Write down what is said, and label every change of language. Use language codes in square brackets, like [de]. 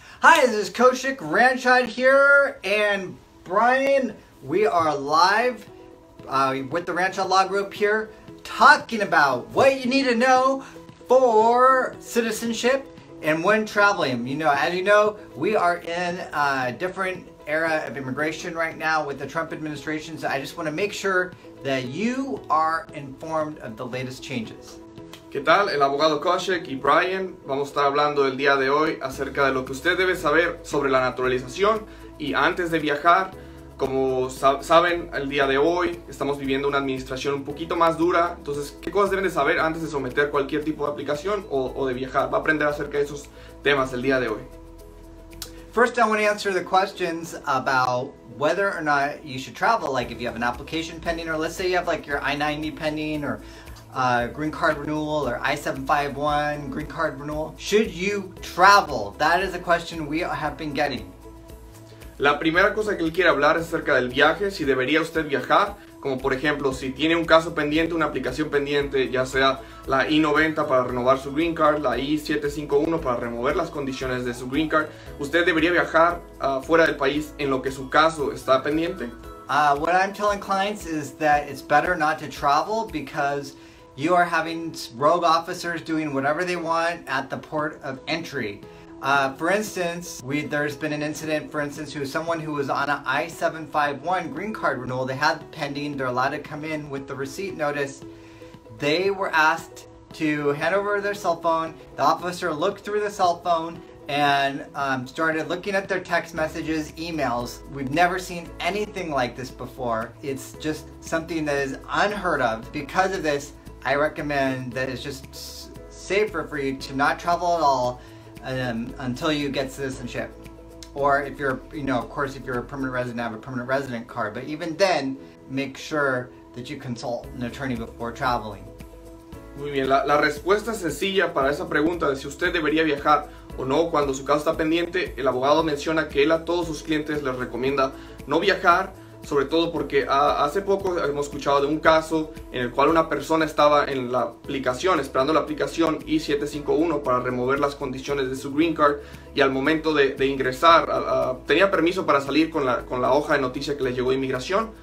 [en] Hi, this is Koshik Ranchide here, and Brian, we are live with the Ranchide Law Group here, talking about what you need to know for citizenship and when traveling. You know, as you know, we are in a different era of immigration right now with the Trump administration, so I just want to make sure that you are informed of the latest changes. [es] ¿Qué tal? El abogado Koshik y Brian vamos a estar hablando el día de hoy acerca de lo que usted debe saber sobre la naturalización y antes de viajar. Como saben, el día de hoy estamos viviendo una administración un poquito más dura. Entonces, ¿qué cosas deben de saber antes de someter cualquier tipo de aplicación o de viajar? Va a aprender acerca de esos temas el día de hoy. [en] First, I want to answer the questions about whether or not you should travel. Like, if you have an application pending, or let's say you have like your I-90 pending, or green card renewal, or I-751 green card renewal. Should you travel? That is a question we have been getting. [es] La primera cosa que él quiere hablar es acerca del viaje, si debería usted viajar, como por ejemplo, si tiene un caso pendiente, una aplicación pendiente, ya sea la I-90 para renovar su green card, la I-751 para remover las condiciones de su green card, ¿usted debería viajar fuera del país en lo que su caso está pendiente? [en] What I'm telling clients is that it's better not to travel because you are having rogue officers doing whatever they want at the port of entry. For instance, there's been an incident, for instance, who someone who was on an I-751 green card renewal, they had pending, they're allowed to come in with the receipt notice. They were asked to hand over their cell phone. The officer looked through the cell phone and started looking at their text messages, emails. We've never seen anything like this before. It's just something that is unheard of. Because of this, I recommend that it's just safer for you to not travel at all until you get citizenship. Or if you're, you know, of course, if you're a permanent resident, have a permanent resident card. But even then, make sure that you consult an attorney before traveling. [es] Muy bien, la respuesta sencilla para esa pregunta de si usted debería viajar o no cuando su caso está pendiente, el abogado menciona que él a todos sus clientes les recomienda no viajar. Sobre todo porque hace poco hemos escuchado de un caso en el cual una persona estaba en la aplicación, esperando la aplicación I-751 para remover las condiciones de su green card y al momento de ingresar, tenía permiso para salir con la hoja de noticia que le llegó de inmigración.